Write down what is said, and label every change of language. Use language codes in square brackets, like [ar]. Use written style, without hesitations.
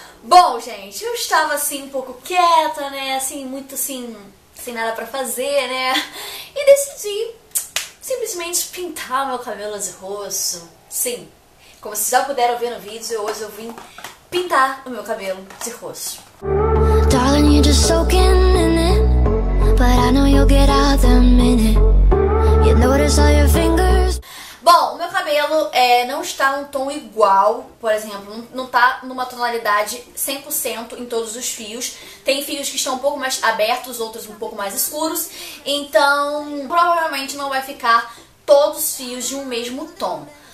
[pt] Bom, gente, eu estava assim um pouco quieta, né? Assim, muito assim, sem nada pra fazer, né? E decidi simplesmente pintar meu cabelo de roxo. Sim, como vocês já puderam ver no vídeo, hoje eu vim pintar o meu cabelo de roxo. [en] Darling, you're just soaking in it, but I know you'll get out the minute you notice all your fingers. [pt] Bom, meu cabelo não está num tom igual, por exemplo, não está numa tonalidade 100% em todos os fios. Tem fios que estão um pouco mais abertos, outros um pouco mais escuros. Então, provavelmente não vai ficar todos os fios de um mesmo tom.